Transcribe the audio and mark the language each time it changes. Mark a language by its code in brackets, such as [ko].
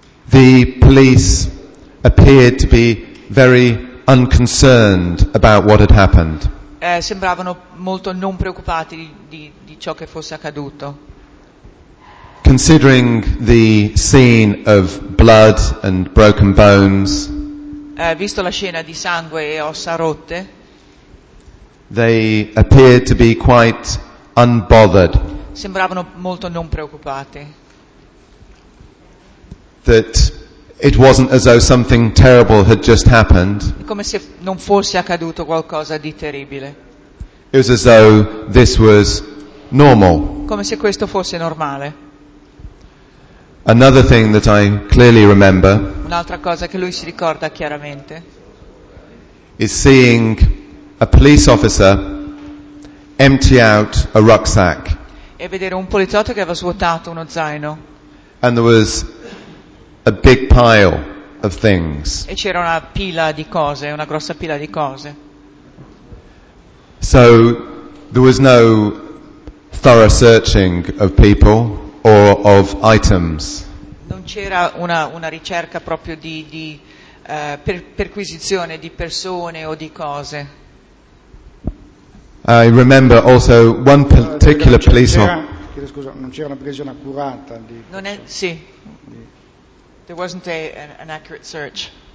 [en] The police appeared to be very unconcerned about what had happened. [it] Sembravano molto non preoccupati di ciò che fosse accaduto. [en] Considering the scene of blood and broken bones. [it] Visto la scena di sangue e ossa rotte. [en] They appeared to be quite unbothered. [it] Sembravano molto non preoccupati. [en] That it wasn't as though something terrible had just happened. [it] Come se non fosse accaduto qualcosa di terribile. [en] It was as though this was normal. [it] Come se questo fosse normale. [en] Another thing that I clearly remember. [it] Un'altra cosa che lui si ricorda chiaramente. [en] Is seeing a police officer empty out a rucksack. [it] E vedere un poliziotto che aveva svuotato uno zaino. [en] And there was a big pile of things. [it] E c'era una pila di cose, una grossa pila di cose. [en] So there was no thorough searching of people or of items. [it] Non c'era una ricerca proprio perquisizione di persone o di cose. [en] I remember also one particular police officer. [it] Scusa, non c'era una precisione accurata di. Non è sì. [en] There wasn't an accurate search.